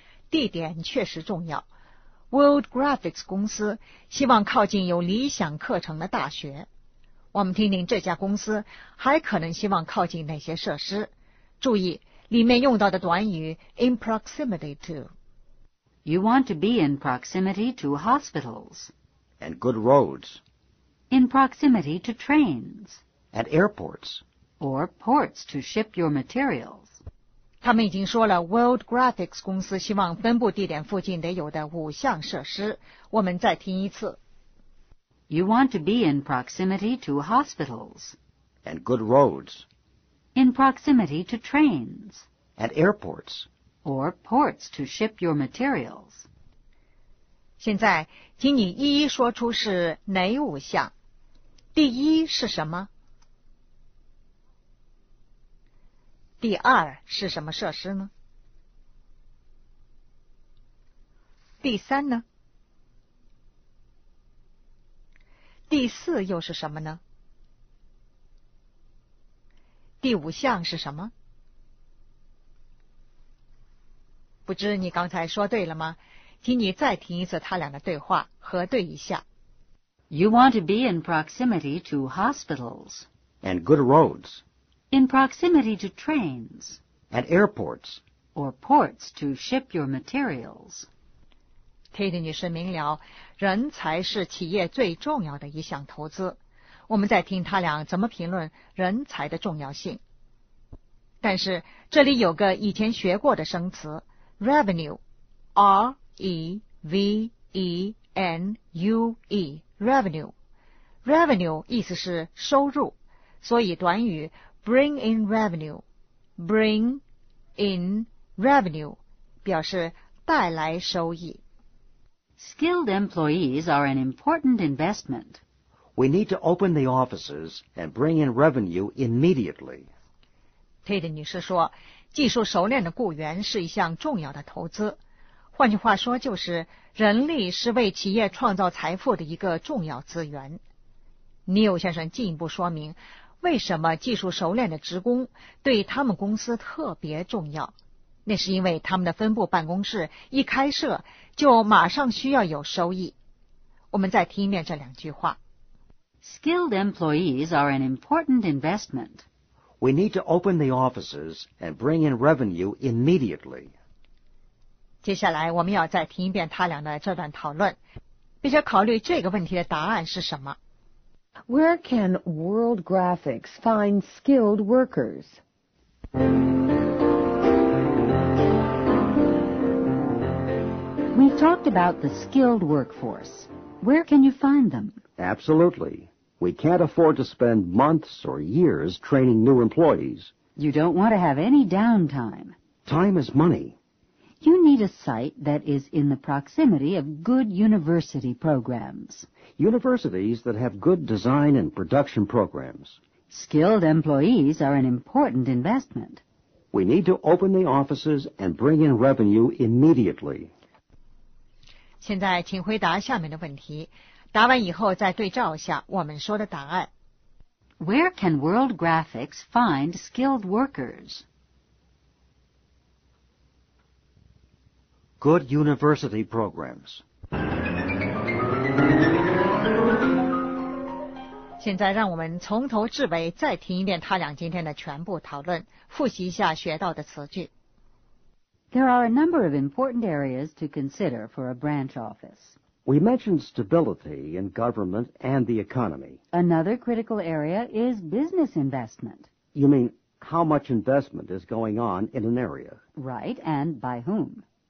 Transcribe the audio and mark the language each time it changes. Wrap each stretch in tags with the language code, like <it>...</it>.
<zh>地点确实重要。 World Graphics 公司希望靠近有理想课程的大学。我们听听这家公司还可能希望靠近哪些设施。注意，里面用到的短语</zh> <en>in proximity to. You want to be in proximity to hospitals. And good roads. In proximity to trains. And airports. Or ports to ship your materials.</en> <zh>他们已经说了 World Graphics 公司希望分布地点附近得有的五项设施。我们再听一次。</zh> <en>You want to be in proximity to hospitals. And good roads. In proximity to trains. And airports. Or ports to ship your materials.</en> <zh>现在请你一一说出是哪五项。第一是什么？第二是什么设施呢？第三呢？第四又是什么呢？第五项是什么？不知你刚才说对了吗？请你再听一次他俩的对话，核对一下。</zh> <en>You want to be in proximity to hospitals. And good roads. In proximity to trains. And airports. Or ports to ship your materials.</en> <zh>Tate 女士明了，人才是企业最重要的一项投资。我们再听他俩怎么评论人才的重要性。但是这里有个以前学过的生词 ,revenue, R-E-V-E-N-U-E, revenue. Revenue 意思是收入，所以短语</zh> <en>Bring in revenue, bring in revenue,</en> <zh>表示带来收益。</zh> <en>Skilled employees are an important investment. We need to open the offices and bring in revenue immediately.</en> <zh>Tate 女士说，技术熟练的雇员是一项重要的投资。换句话说，就是人力是为企业创造财富的一个重要资源。尼欧先生进一步说明，为什么技术熟练的职工对他们公司特别重要？那是因为他们的分部办公室一开设就马上需要有收益。我们再听一遍这两句话。</zh> <en>Skilled employees are an important investment. We need to open the offices and bring in revenue immediately.</en> <zh>接下来我们要再听一遍他俩的这段讨论，并且考虑这个问题的答案是什么。</zh> <en>Where can World Graphics find skilled workers? We've talked about the skilled workforce. Where can you find them? Absolutely. We can't afford to spend months or years training new employees. You don't want to have any downtime. Time is money. You need a site that is in the proximity of good university programs. Universities that have good design and production programs. Skilled employees are an important investment. We need to open the offices and bring in revenue immediately.</en> <zh>现在请回答下面的问题，答完以后再对照一下我们说的答案。</zh> <en>Where can World Graphics find skilled workers? Good university programs.</en> <zh>现在让我们从头至尾再听一遍他俩今天的全部讨论，复习一下学到的词句。</zh> <en>There are a number of important areas to consider for a branch office. We mentioned stability in government and the economy. Another critical area is business investment. You mean how much investment is going on in an area? Right, and by whom?</en>